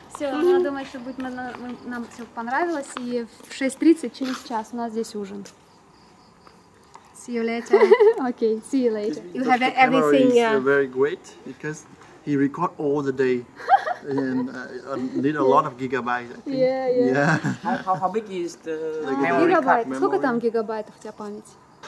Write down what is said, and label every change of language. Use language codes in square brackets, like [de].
[ru] Я думаю, что будет нам все понравилось, и в 6:30 через час у нас здесь ужин. [en] See you later. Okay, see you later. You have everything. Very great because he record all the day and need a lot of gigabytes. Yeah. How big is the memory card? [ru] Сколько там гигабайтов у тебя память?